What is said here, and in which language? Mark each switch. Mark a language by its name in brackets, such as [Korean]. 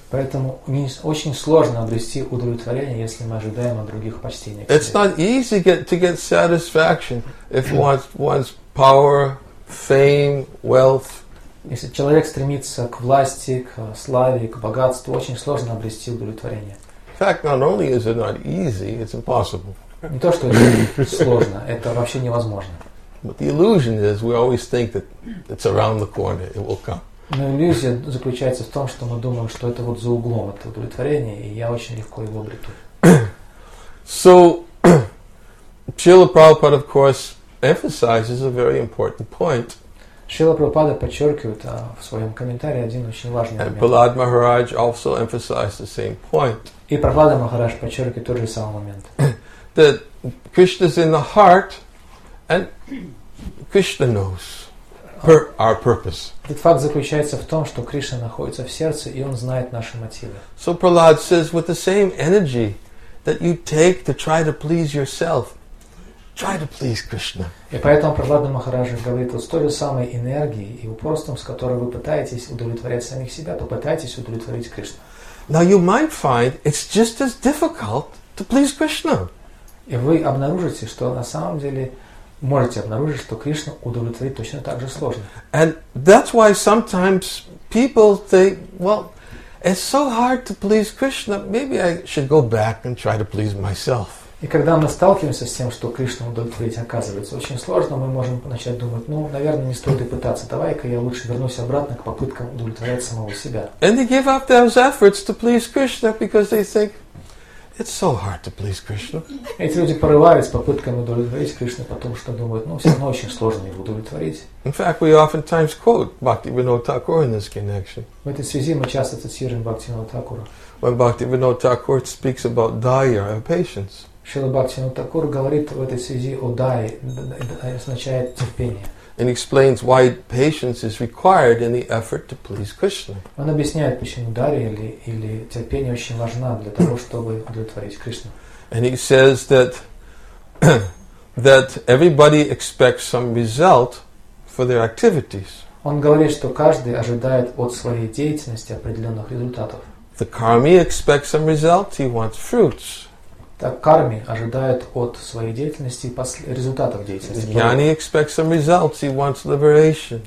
[Russian] Поэтому очень сложно обрести удовлетворение, если мы ожидаем от других почтения. [English] It's not easy to get satisfaction if one wants power, fame, wealth. [Russian] Если человек стремится к власти, к славе, к богатству, очень сложно обрести удовлетворение. [English] In fact, not only is it not easy, it's impossible. [Russian] Не то, что это сложно, это вообще невозможно. [English] But the illusion is we always think that it's around the corner, it will come. [Russian] Но иллюзия заключается в том, что мы думаем, что это вот за углом, это удовлетворение, и я очень легко его обрету. [English] So, Srila Prabhupada, of course, emphasizes a very important point. [Russian] Srila Prabhupada подчеркивает в своем комментарии один очень важный момент. [English] And Prahlad Maharaj also emphasized the same point. [Russian] И Прахлада Махарадж подчеркивает тот же самый момент. [English] That Krishna's in the heart, and Krishna knows our purpose. [Russian] Этот факт заключается в том, что Кришна находится в сердце, и он знает наши мотивы. [English] So Prahlad says, with the same energy that you take to try to please yourself, try to please Krishna. [Russian] И поэтому Прахлада Махараджа говорит, вот с той же самой энергией и упорством, с которой вы пытаетесь удовлетворять самих себя, то пытайтесь удовлетворить Кришну. [English] Now you might find it's just as difficult to please Krishna. [Russian] И вы обнаружите, что на самом деле можете обнаружить, что Кришну удовлетворить точно так же сложно. [English] And that's why sometimes people think, well, it's so hard to please Krishna, maybe I should go back and try to please myself. [Russian] И когда мы сталкиваемся с тем, что Кришну удовлетворить оказывается очень сложно, мы можем начать думать, ну, наверное, не стоит и пытаться, давай-ка я лучше вернусь обратно к попыткам удовлетворять самого себя. [English] And they give up those efforts to please Krishna because they think, It's so hard to please Krishna. [Russian] Эти люди порываются попытками удовлетворить Кришну, потому что думают, ну, все равно очень сложно его удовлетворить. [English] In fact, we oftentimes quote Bhaktivinoda Thakur in this connection. [Russian] В этой связи мы часто цитируем Бхактивинода Такура. [English] When Bhaktivinoda Thakur speaks about daya or patience. [Russian] Шрила Бхактивинода Такур говорит в этой связи о дае, означает терпение. [English] And explains why patience is required in the effort to please Krishna. [Russian] Он объясняет, почему дарья или терпение очень важна для того, чтобы удовлетворить Кришну. [English] And he says that everybody expects some result for their activities. [Russian] Он говорит, что каждый ожидает от своей деятельности определенных результатов. [English] The karmi expects some result, he wants fruits. [Russian] Так карми ожидает от своей деятельности результатов деятельности. [English] Гьяни expects some results, he wants liberation.